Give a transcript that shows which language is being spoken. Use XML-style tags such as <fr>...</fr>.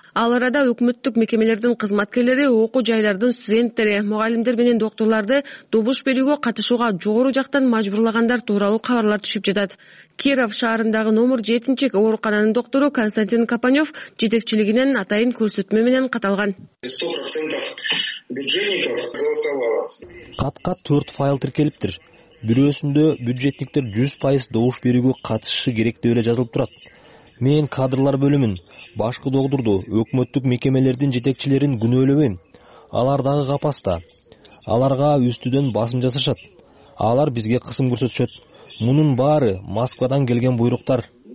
<ky>Ал арада өкмөттүк мекемелердин кызматкерлери окуу жайлардын студент мугалимдер менен докторлорду добуш берүүгө катышууга жогору жактан мажбурлагандар тууралуу кабарлар түшүп жатат. Киров шаарындагы номер 7 оорукананын доктору Константин Капанев жетекчилигинен атайын көрсөтмө менен каталган.</ky> <ru>100% бюджетников голосовало.</ru> <ky>Катка 4 файл тиркелиптир. бирөөсүндө бюджетниктер 100% добуш берүүгө катышышы керек деп эле жазылып турат. Мен кадрлар бөлүмүн, башкы доогдурду, өкмөттүк мекемелердин жетекчилерин күнөөлөбөйм. Алар дагы капаста. Аларга үстүдөн басым жасашат. Алар бизге кысым көрсөтүшөт. Мунун баары Москвадан келген буйруктар.</ky>